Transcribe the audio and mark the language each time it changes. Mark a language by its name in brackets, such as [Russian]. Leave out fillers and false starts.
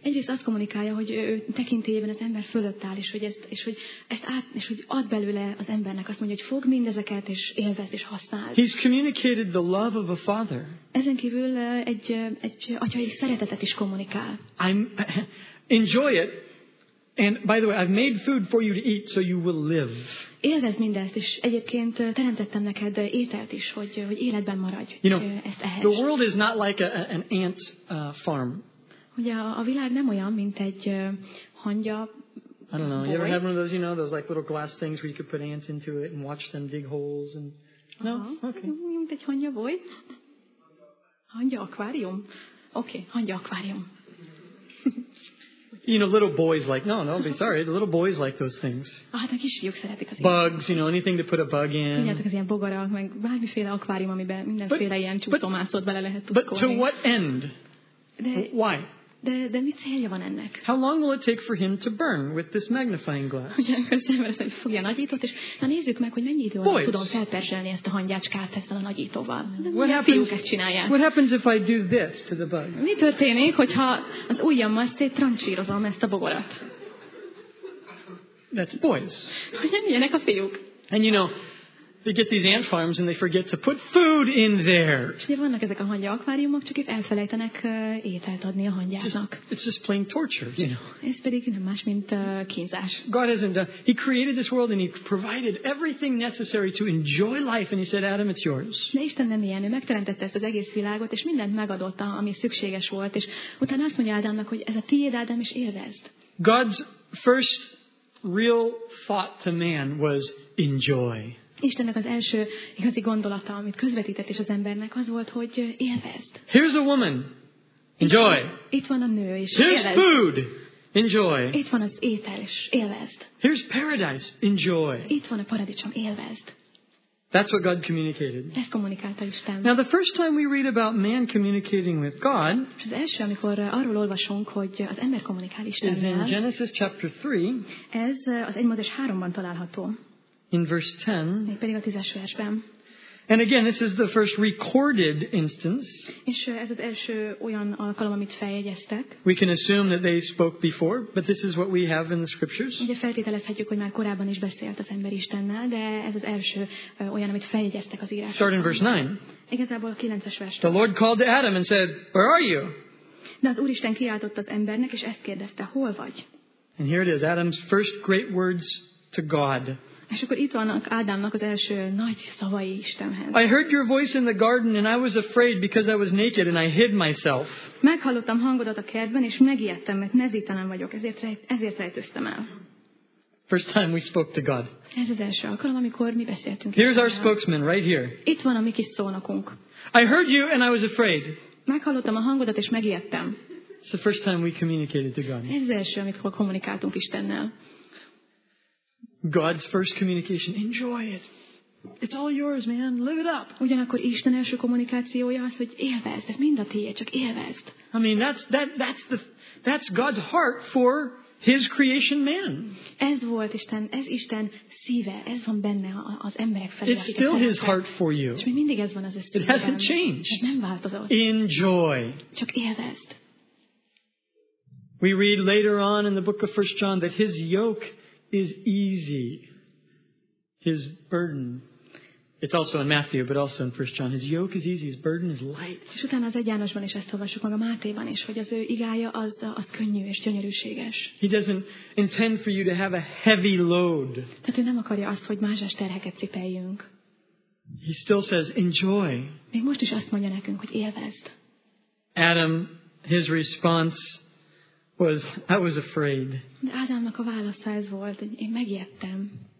[Hungarian] Egyrészt azt kommunikálja, hogy ő tekintélyében az ember fölött áll, és hogy ad belőle az embernek, azt mondja, hogy fog mindezeket és élvez és használ. [English] He's communicated the love of a father. [Hungarian] Ezen kívül egy atyai szeretetet is kommunikál. [English] Enjoy it. And by the way, I've made food for you to eat, so you will live. [Hungarian] Élvezd mindezt, és egyébként teremtettem neked ételt is, hogy életben maradj. [English] You know, the world is not like an ant farm. [Hungarian] Ugye a világ nem olyan, mint egy hangya. [English] I don't know. You ever have one of those, you know, those like little glass things where you could put ants into it and watch them dig holes and. No. Okay. [Hungarian] Mint egy hangya boy. Hangya akvárium. Okay. Hangya akvárium. [English] You know, little boys like no, be sorry. The little boys like those things. [Hungarian] Ah, de kisfiúk szeretik azokat. [English] Bugs, you know, anything to put a bug in. [Hungarian] Mindjárt az ilyen bogarak, meg bármiféle akvárium, amiben mindenféle ilyen csúszómászót bele lehet tudni. [English] But to what end? Why? [Hungarian] De mi célja van ennek? [English] How long will it take for him to burn with this magnifying glass? [Hungarian] Fogja a nagyítót, és na nézzük meg, hogy mennyi idő alatt tudom felperzselni ezt a hangyácskát ezzel a nagyítóval. [English] What happens if I do this to the bug? [Hungarian] Mi történik, hogyha az ujjammal széttrancsírozom ezt a bogarat? [English] That's boys. [Hungarian] Ilyenek a fiúk. [English] And you know, they get these ant farms and they forget to put food in there. [Hungarian] Ugye vannak ezek a hangya akváriumok, csak itt elfelejtenek ételt adni a hangyáknak. [English] It's just plain torture, you know. [Hungarian] Ez pedig nem más, mint kínzás. [English] God hasn't done. He created this world and he provided everything necessary to enjoy life and he said, Adam, it's yours. [Hungarian] De Isten nem ilyen. Ő megteremtette ezt az egész világot, és mindent megadott, ami szükséges volt, és utána azt mondja Ádámnak, hogy ez a tiéd, Ádám, és élvezd. [English] God's first real thought to man was enjoy. [Hungarian] Istennek az első igazi gondolata, amit közvetített is az embernek, az volt, hogy élvezd. [English] Here's a woman. Enjoy. [Hungarian] Itt van a nő, és [English] here's [Hungarian] élvezd. [English] Here's food. Enjoy. [Hungarian] Itt van az étel, és élvezd. [English] Here's paradise. Enjoy. [Hungarian] Itt van a paradicsom, élvezd. [English] That's what God communicated. [Hungarian] Ezt kommunikálta Isten. [English] Now the first time we read about man communicating with God, [Hungarian] és az első, amikor arról olvasunk, hogy az ember kommunikál Istennel, [English] is in Genesis chapter 3. [Hungarian] Ez az 1 Mózes 3-ban található. [English] In verse 10. [Hungarian] Még pedig a 10-es versben. [English] And again, this is the first recorded instance. [Hungarian] És ez az első olyan alkalom, amit feljegyeztek. [English] We can assume that they spoke before, but this is what we have in the scriptures. [Hungarian] Ugye feltételezhetjük, hogy már korábban is beszélt az ember Istennel, de ez az első olyan, amit feljegyeztek az írásban. [English] Start in verse 9. [Hungarian] Igazából a 9-es versben. [English] The Lord called to Adam and said, "Where are you?" [Hungarian] De az Úristen kiáltott az embernek, és ezt kérdezte, hol vagy? [English] And here it is, Adam's first great words to God. [Hungarian] És akkor itt vannak Ádámnak az első nagy szavai Istenhez. [English] I heard your voice in the garden and I was afraid because I was naked and I hid myself. [Hungarian] Meghallottam hangodat a kertben és megijedtem, mert mezítelen vagyok, ezért rejtőztem el. [English] First time we spoke to God. [Hungarian] Ez az első alkalom, amikor mi beszéltünk. [English] Here's our spokesman right here. [Hungarian] Itt van a mi kis szónokunk. [English] I heard you and I was afraid. [Hungarian] Meghallottam a hangodat és megijedtem. [English] It's the first time we communicated to God. [Hungarian] Ez az első, amikor kommunikáltunk Istennel. [English] God's first communication. Enjoy it. It's all yours, man. Live it up. [Hungarian] Ugyanakkor Isten első kommunikációja az, hogy élvezd, ez mind a tiéd, csak élvezd. [English] I mean, that's God's heart for his creation man. [Hungarian] Ez volt Isten, ez Isten szíve, ez van benne az emberek felé. [English] It's still his heart for you. [Hungarian] És még mindig ez van az ő szívében. [English] It hasn't changed. [Hungarian] Ez nem változott. [English] Enjoy. [Hungarian] Csak élvezd. [English] We read later on in the book of 1 John that his yoke is easy, his burden. It's also in Matthew, but also in 1 John. His yoke is easy, his burden is light. [Hungarian] És utána az 1 Jánosban is ezt olvassuk, meg a Mátéban is, hogy az ő igája az könnyű és gyönyörűséges. [English] He doesn't intend for you to have a heavy load. [Hungarian] Tehát ő nem akarja azt, hogy mázsás terheket cipeljünk. [English] He still says, enjoy. [Hungarian] Még most is azt mondja nekünk, hogy élvezd. [English] Adam, his response was I was afraid. [Hungarian] De Ádámnak a válasza ez volt, hogy én megijedtem.